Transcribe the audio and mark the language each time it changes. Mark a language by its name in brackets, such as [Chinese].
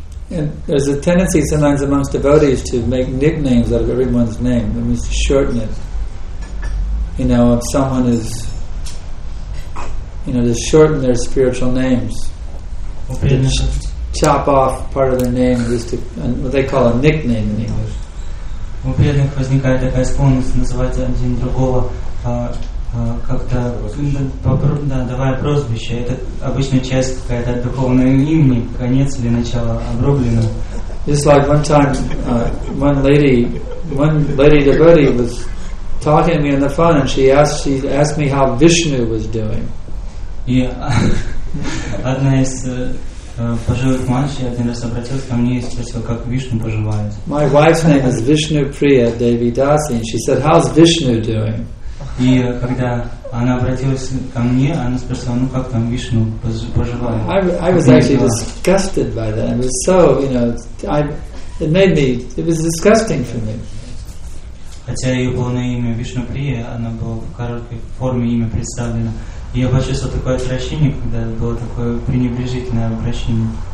[English] And there's a tendency sometimes amongst devotees to make nicknames out of everyone's name. That means to shorten it. You know, if someone is, you know, to shorten their spiritual names. Chop off part of their name, just to, what they call a nickname in English. [Russian] У преданных возникает такая склонность называть один другого как-то, давая прозвище. Это обычно часть какая-то духовная имени, конец или начало обрублено. [English] Just like one time, one lady devotee was talking to me on the phone, and she asked me how Vishnu was doing. Yeah. [Russian] Одна из пожилых мальчик один раз обратился ко мне и спросил, как Вишну поживает. [English] My wife's name is Vishnu Priya Devi Dasi, and she said, "How's Vishnu doing?" [Russian] И когда она обратилась ко мне, она спросила, ну как там Вишну поживает? [English] I was actually disgusted by that. It was so, you know, it was disgusting for me. [Russian] Хотя ее полное имя Вишну Прия, она была в короткой форме имя представлена. Я почувствовал такое отвращение, когда было такое пренебрежительное обращение.